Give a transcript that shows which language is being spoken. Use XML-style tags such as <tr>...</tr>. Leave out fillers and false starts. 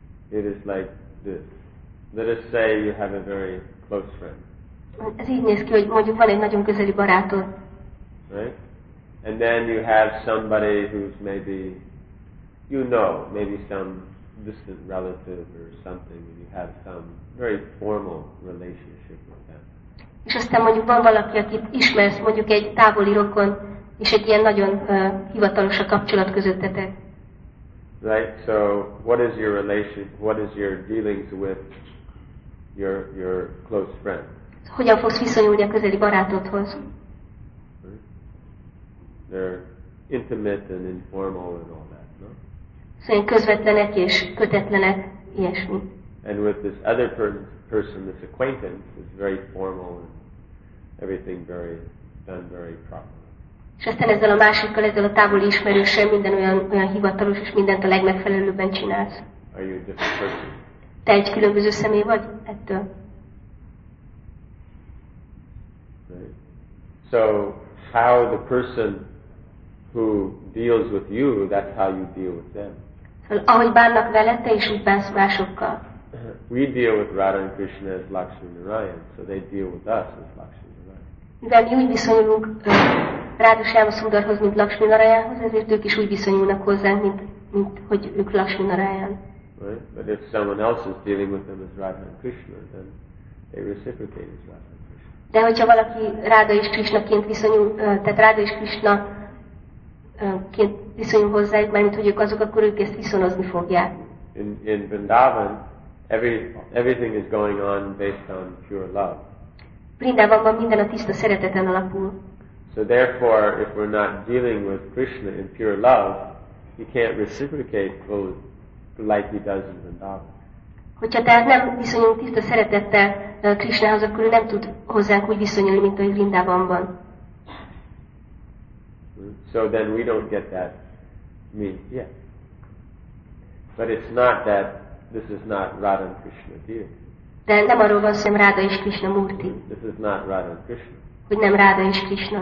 <en>It is like this. Let us say you have a very close friend.</en> <hu>Ez így néz ki, hogy mondjuk van egy nagyon közeli barátod.</hu> <en>Right? And then you have somebody who's maybe, you know, maybe some distant relative or something, and you have some very formal relationship with them.</en> <hu>És aztán mondjuk van valaki, akit ismersz, mondjuk egy távoli rokon, és egy ilyen nagyon hivatalos a kapcsolat közöttetek.</hu> <en>Right? So what is your relation, what is your dealings with your close friend?</en> <hu>Hogyan fogsz viszonyulni a közeli barátodhoz?</hu> <en>They're intimate and informal and all that, no?</en> <hu>Szóval közvetlenek és kötetlenek, ilyesmi.</hu> <en>And with this other person, this acquaintance, is very formal and everything very done very properly.</en> <hu>És aztán ezzel a másikkal, ezzel a távoli ismerőssel minden olyan hivatalos és mindent a legmegfelelőbben csinálsz.</hu> <en>Are you a different person?</en> <hu>Te egy különböző személy vagy ettől?</hu> <en>So how the person who deals with you, that's how you deal with them.</en> <hu>Szóval, ahogy bánnak veled, te is úgy bánsz másokkal.</hu> <en>We deal with Radha and Krishna as Lakshmi Narayan, so they deal with us as Lakshmi Narayan.</en> <hu>Mivel mi úgy viszonyulunk Rádus Jámaszundarhoz, mint Lakshmi Narayanhoz, ezért ők is úgy viszonyulnak hozzánk, mint hogy ők Lakshmi Narayan.</hu> <en>Right? But if someone else is dealing with them as Radha and Krishna, then they reciprocate as Radha and Krishna.</en> <hu>De hogyha valaki Ráda és Krishnaként viszonyul, tehát Ráda és Krishna ként viszonyul hozzájuk, mert hogy ők azok, akkor ők ezt viszonozni fogják.</hu> <en>In Vrindavan, everything is going on based on pure love.</en> <hu>Vrindavanban minden a tiszta szereteten alapul.</hu> <en>So therefore, if we're not dealing with Krishna in pure love, he can't reciprocate fully. Like he does in Vrindavan.</en> <hu>Hogyha tehát nem viszonyulunk tiszta szeretettel Krishnához, akkor ő nem tud hozzánk úgy viszonyulni, mint ahogy Vrindavanban.</hu> <en>So then we don't get that meaning. Yeah. But it's not that this is not Radha and Krishna deal.</en> <hu>De nem arról van szó, hogy Radha és Krishna murti.</hu> <en>This is not Radha and Krishna.</en> <hu>Hogy nem Radha és Krishna.</hu>